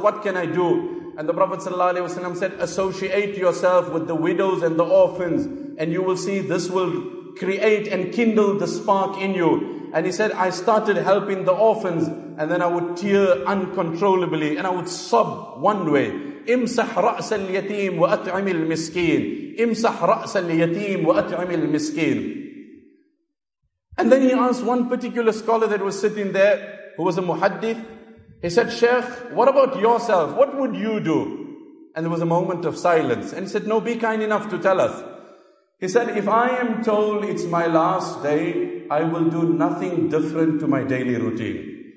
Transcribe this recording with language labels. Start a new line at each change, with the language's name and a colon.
English: What can I do? And the Prophet sallallahu alayhi wa sallam said, associate yourself with the widows and the orphans, and you will see this will create and kindle the spark in you. And he said, I started helping the orphans, and then I would tear uncontrollably, and I would sob one way.
Arabic: امسح رأس اليتيم وأطعم المسكين. امسح رأس اليتيم وأطعم المسكين.
English: And then he asked one particular scholar that was sitting there, who was a muhaddith. He said, Sheikh, what about yourself? What would you do? And there was a moment of silence. And he said, no, be kind enough to tell us. He said, if I am told it's my last day, I will do nothing different to my daily routine.